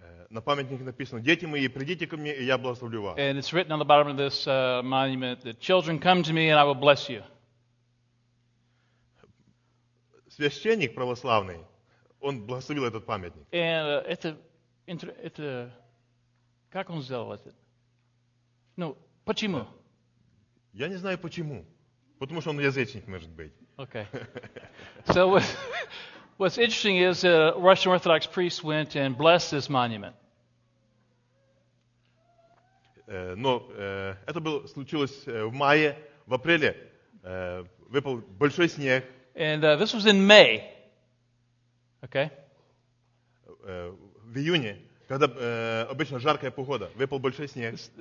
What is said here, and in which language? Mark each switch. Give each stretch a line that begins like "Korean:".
Russian: На памятнике написано: «Дети мои, придите ко мне, и я благословлю вас».
English: And it's written on the bottom of this monument that children come to me and I will bless you.
Russian: Священник православный. Он благословил этот памятник.
English: And it's a
Russian: Как он сделал это? Ну, почему? Я не знаю почему. Потому что он язычник, может быть.
English: Okay. So what's interesting is a Russian Orthodox priest went and blessed this monument.
Russian: Но это было случилось в мае, в апреле выпал большой снег.
English: And this was in May. Okay.
Russian: В июне, когда обычно жаркая погода, выпал большой снег.